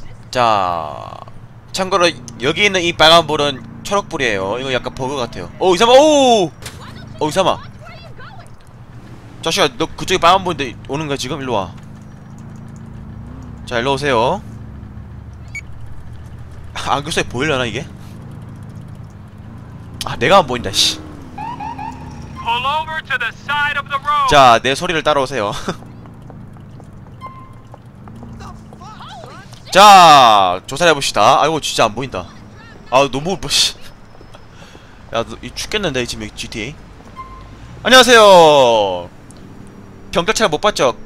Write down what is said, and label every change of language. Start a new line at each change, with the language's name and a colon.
Korean: 자 참고로 여기 있는 이 빨간불은 초록불이에요. 이거 약간 버그 같아요. 오 이사마. 오! 오 이사마 자식아 너 그쪽에 빨간불인데 오는거야 지금? 일로와. 자 일로오세요. 안경 속에 보이려나 이게? 아 내가 안 보인다 씨.
English: Pull over to the side of the road.
Korean: 자 내 소리를 따라오세요. 자 조사를 해봅시다. 아이고 진짜 안 보인다. 아 너무 씨. 야 너 죽겠는데 지금 GTA. 안녕하세요. 경찰차 못 봤죠?